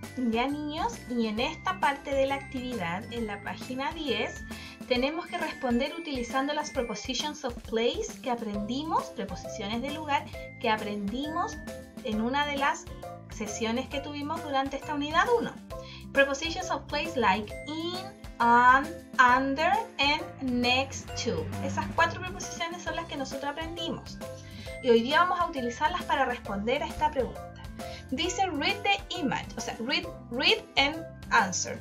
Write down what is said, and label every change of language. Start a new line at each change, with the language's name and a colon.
Spanish: Ya, niños, y en esta parte de la actividad, en la página 10, tenemos que responder utilizando las
English: prepositions of place
Spanish: que aprendimos, preposiciones de lugar, que aprendimos en una de las sesiones que tuvimos durante esta unidad 1.
English: Prepositions of place like in, on, under, and next to.
Spanish: Esas cuatro preposiciones son las que nosotros aprendimos. Y hoy día vamos a utilizarlas para responder a esta pregunta. Dice
English: read the image,
Spanish: o sea,
English: read and answer.